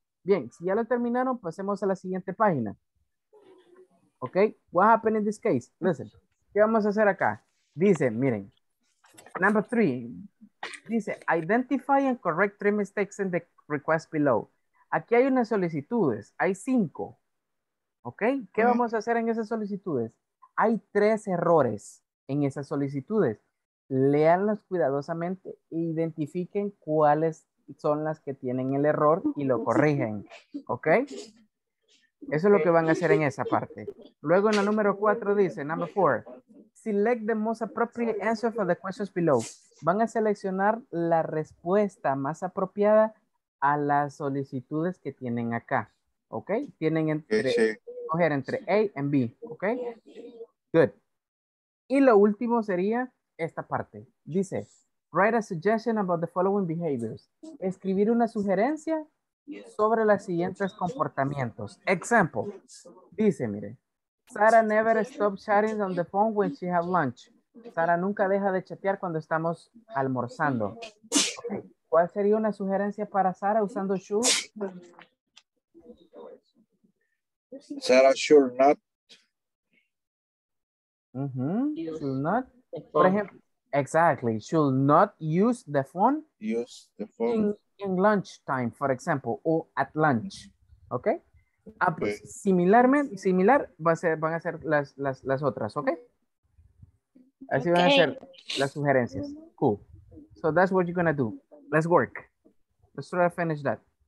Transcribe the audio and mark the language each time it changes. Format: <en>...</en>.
<es>Bien, si ya lo terminaron, pasemos a la siguiente página.</es> <en>Okay, what happened in this case? Listen,</en> <es>¿qué vamos a hacer acá? Dice, miren,</es> <en>number three, dice, identify and correct three mistakes in the request below.</en> <es>Aquí hay unas solicitudes, hay cinco. Okay, ¿qué vamos a hacer en esas solicitudes? Hay tres errores en esas solicitudes. Léanlas cuidadosamente e identifiquen cuáles son las que tienen el error y lo corrigen. ¿Ok? Eso es lo que van a hacer en esa parte. Luego en la número 4 dice, number 4,</es> <en>select the most appropriate answer for the questions below.</en> <es>Van a seleccionar la respuesta más apropiada a las solicitudes que tienen acá. ¿Ok? Tienen entre, coger entre A y B. ¿Ok? Good. Y lo último sería esta parte.</es> <en>Dice, write a suggestion about the following behaviors.</en> <es>Escribir una sugerencia sobre los siguientes comportamientos.</es> <en>Example,</en> <es>dice, mire,</es> <en>Sara never stops chatting on the phone when she has lunch.</en> <es>Sara nunca deja de chatear cuando estamos almorzando. Okay. ¿Cuál sería una sugerencia para Sara usando should?</es> <en>Sara should not. Mm-hmm. Should not, for example, exactly, should not use the phone, in lunch time, for example, or at lunch, okay?</en> <es>Ah, pues, similar va a ser, van a ser las otras, okay? Así okay. Van a ser las sugerencias, cool.</es> <en>So that's what you're gonna do. Let's work. Let's try to finish that.</en>